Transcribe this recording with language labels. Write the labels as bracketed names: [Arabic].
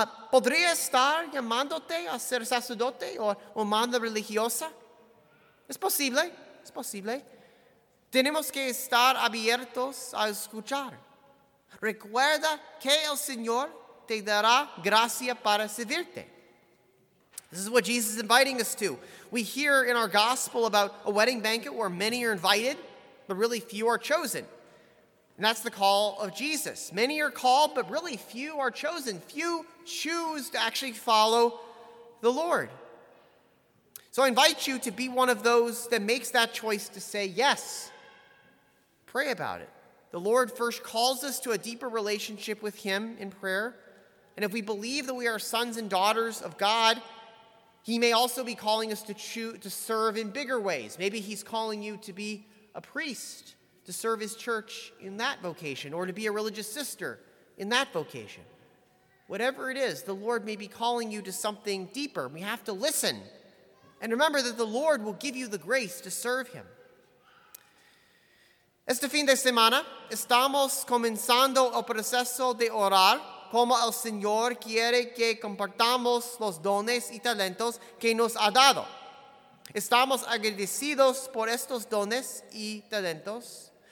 [Spanish] ¿Podría estar llamándote a ser sacerdote o mando religiosa? Es posible, es posible. Tenemos que estar abiertos a escuchar. Recuerda que el Señor te dará gracia para servirte. [English] This is what Jesus is inviting us to. We hear in our gospel about a wedding banquet where many are invited, but really few are chosen. And that's the call of Jesus. Many are called, but really few are chosen. Few choose to actually follow the Lord. So I invite you to be one of those that makes that choice to say yes. Pray about it. The Lord first calls us to a deeper relationship with Him in prayer. And if we believe that we are sons and daughters of God, He may also be calling us to serve in bigger ways. Maybe He's calling you to be a priest, to serve His church in that vocation, or to be a religious sister in that vocation. Whatever it is, the Lord may be calling you to something deeper. We have to listen. And remember that the Lord will give you the grace to serve Him. [Spanish] Este fin de semana, estamos comenzando el proceso de orar como el Señor quiere que compartamos los dones y talentos que nos ha dado. Estamos agradecidos por estos dones y talentos.